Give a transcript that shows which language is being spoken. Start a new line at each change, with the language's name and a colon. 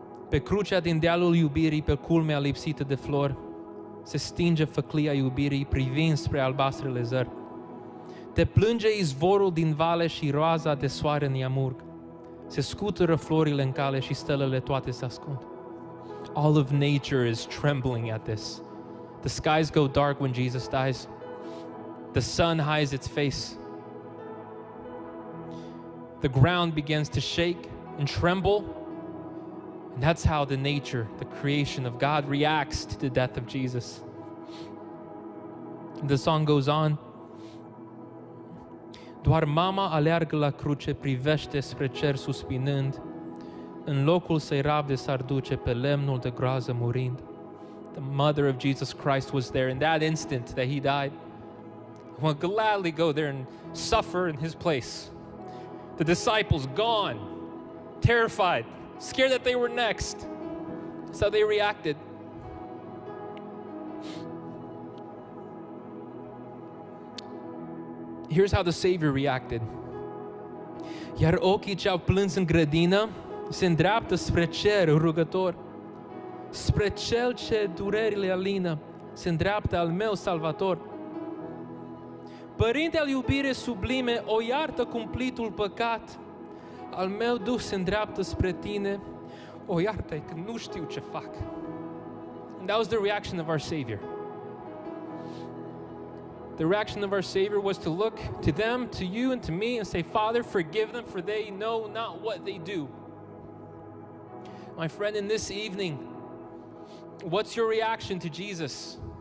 Romanian: Pe crucea din dealul iubirii, pe culmea lipsită de flori, se stinge făclia iubirii privind spre albastrele zări. Te plânge izvorul din vale și roaza de soare ne amurg. Se scutură florile în cale și stelele toate se ascund.
English: All of nature is trembling at this. The skies go dark when Jesus dies. The sun hides its face. The ground begins to shake and tremble. And that's how the nature, the creation of God reacts to the death of Jesus. The song goes on.
Romanian: Doar mama aleargă la cruce, privește spre cer suspinând. În locul să-i rabde s-ar duce pe lemnul de groază murind.
English: The mother of Jesus Christ was there in that instant that he died. We'll gladly go there and suffer in his place. The disciples gone, terrified, scared that they were next. That's how they reacted. Here's how the Savior reacted.
Romanian: Iar ochii ce-au plâns în grădină se îndreaptă spre cer rugător. Spre cel ce durerile alină se îndreaptă al meu salvator. Părinte al iubire sublime, o iartă cumplitul păcat. Al meu Duh se îndreaptă spre tine. O iartă-i că nu știu ce fac.
English: And that was the reaction of our Savior. The reaction of our Savior was to look to them, to you and to me and say, Father, forgive them for they know not what they do. My friend, in this evening, what's your reaction to Jesus?